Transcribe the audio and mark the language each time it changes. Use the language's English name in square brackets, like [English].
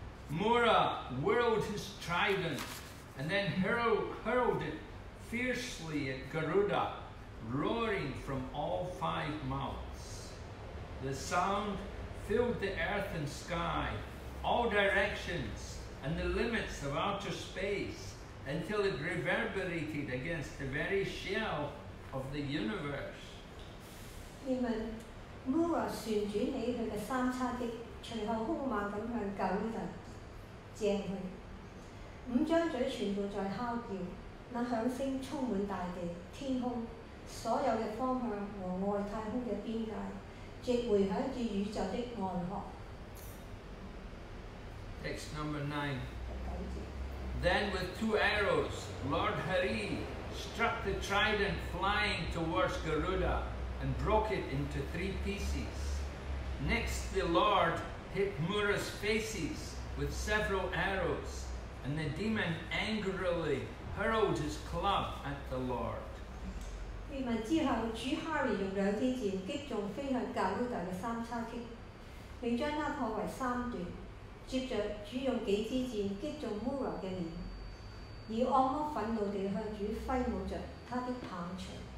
[English] Mura whirled his trident and then hurled it fiercely at Garuda, roaring from all five mouths. The sound filled the earth and sky, all directions and the limits of outer space, until it reverberated against the very shell of the universe. [Cantonese] Mura 旋转起他的三叉戟，随后凶猛咁向狗突掟去。五张嘴全部在敲叫，那响声充满大地、天空、所有嘅方向和外太空嘅边界，直回响至宇宙的外壳。 [English] Text number 9. Then with two arrows, Lord Hari struck the trident flying towards Garuda and broke it into three pieces. Next, the Lord hit Mura's faces with several arrows, and the demon angrily hurled his club at the Lord. [Cantonese] 预文之后，主哈利用两支箭击中飞向加鲁达嘅三叉戟，并将它破为三段。接着，主用几支箭击中穆罗嘅脸，而恶魔愤怒地向主挥舞着他的棒槌。